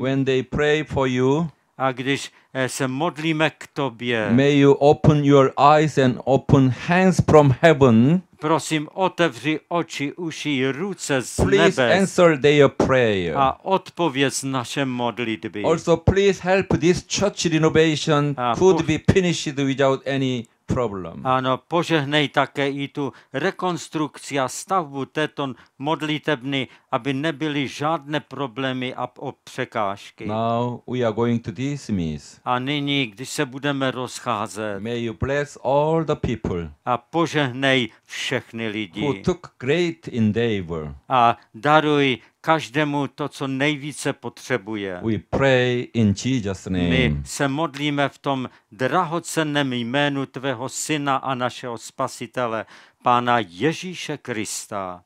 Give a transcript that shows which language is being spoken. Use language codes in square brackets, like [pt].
[en] When they pray for you, [cs] a když se modlíme k tobě. [en] May you open your eyes and open hands from heaven. [cs] Prosím, otevři oči, uši, ruce z nebes. [en] Please answer their prayer. [cs] A odpověz naše modlitby. [en] Also please help this church renovation could be finished without any problem. [cs] Ano, požehnej také i tu rekonstrukci a stavbu této modlitebny, aby nebyly žádné problémy a překážky. [en] Now we are going to dismiss. [cs] A nyní, když se budeme rozcházet. [en] May you bless all the people. [cs] A požehnej všechny lidi. [en] Who took great endeavor. [cs] A daruj každému to, co nejvíce potřebuje. [en] We pray in Jesus name. [cs] My se modlíme v tom drahocenném jménu tvého syna a našeho spasitele, Pána Ježíše Krista.